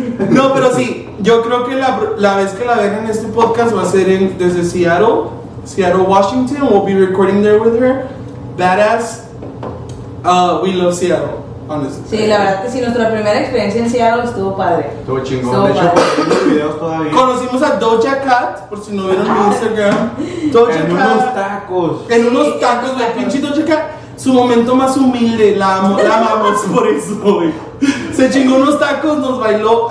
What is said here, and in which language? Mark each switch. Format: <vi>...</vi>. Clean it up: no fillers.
<es>No, pero sí, yo creo que la vez que la ven en este podcast va a ser desde Seattle. Seattle, Washington.</es> <en>We'll be recording there with her. Badass. We love Seattle, honestly.</en> <es>Sí, la verdad que sí, nuestra primera experiencia en Seattle estuvo padre. Estuvo chingón. Estuvo de padre. Hecho, en los videos todavía. Conocimos a Doja Cat, por si no vieron mi Instagram. Doja en Cat. Unos tacos. En unos tacos, güey. Pinche Doja Cat. Su momento más humilde. La amo, la amamos por eso, güey. Se chingó unos tacos, nos bailó.</es>